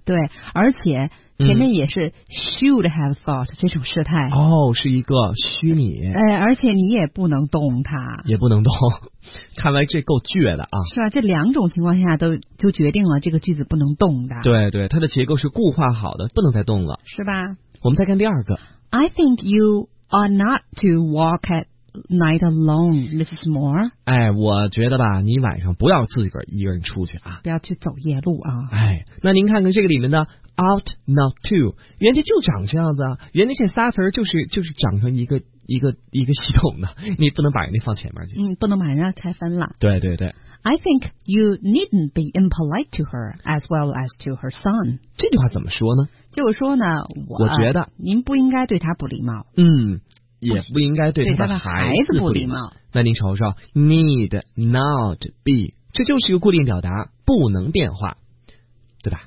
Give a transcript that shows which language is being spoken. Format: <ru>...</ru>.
<zh>对，而且前面也是</zh> <en>should have thought</en> <zh>这种事态。是一个虚拟。而且你也不能动它。也不能动。看来这够倔的啊。是吧，这两种情况下都就决定了这个句子不能动的。对对，它的结构是固化好的，不能再动了。是吧，我们再看第二个。</zh> <en>I think you are not to walk at night alone, Mrs. Moore.</en> <zh>哎，我觉得吧，你晚上不要自个儿一个人出去啊。不要去走夜路啊。哎，那您看看这个里面的</zh> <en>ought not to，</en> <zh>人家就长这样子啊，人家这仨词就是长成一个系统的，你不能把人家放前面去。不能把人家拆分了。对对对。</zh> <en>I think you needn't be impolite to her as well as to her son.</en> <zh>这句话怎么说呢？就是说呢，我觉得您不应该对他不礼貌。也不应该对他的孩子不礼貌。那您瞅瞅 ，</zh> <en>need not be，</en> <zh>这就是一个固定表达，不能变化，对吧？</zh>